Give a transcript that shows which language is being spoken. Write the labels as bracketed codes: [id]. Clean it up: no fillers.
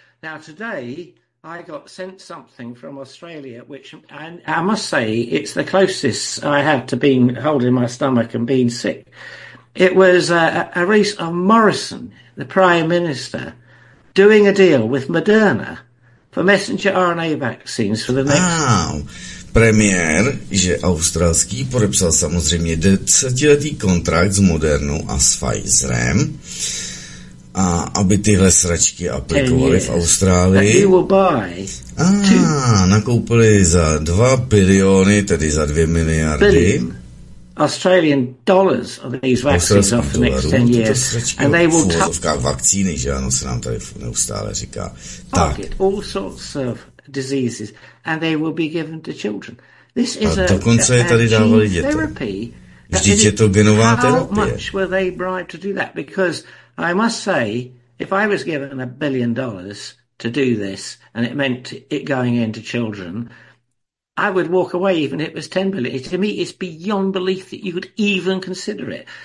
[en] Now, today, I got sent something from Australia, which I must say, it's the closest I have to being holding my stomach and being sick. It was a race of Morrison, the Prime Minister, doing a deal with Moderna for messenger RNA vaccines for the next... Wow. [cs] Premiér, že australský, podepsal samozřejmě 10letý kontrakt s Modernou a s Pfizerem, a aby tyhle sračky aplikovali v Austrálii. A nakoupili za 2 biliony, tedy za 2 miliardy. [en] Australian dollars of these vaccines off the next 10 years. And they will [cs] vakcíny, že ano, se nám tady neustále říká. [en] Target all sorts of diseases and they will be given to children. This is [cs] a dokonce je tady dávali dětem. Vždyť je to genová terapie. [en] How much were they bribed to do that? Because I must say, if I was given $1 billion to do this and it meant it going into children, I would walk away even if it was 10 billion. To me, it's beyond belief that you could even consider it.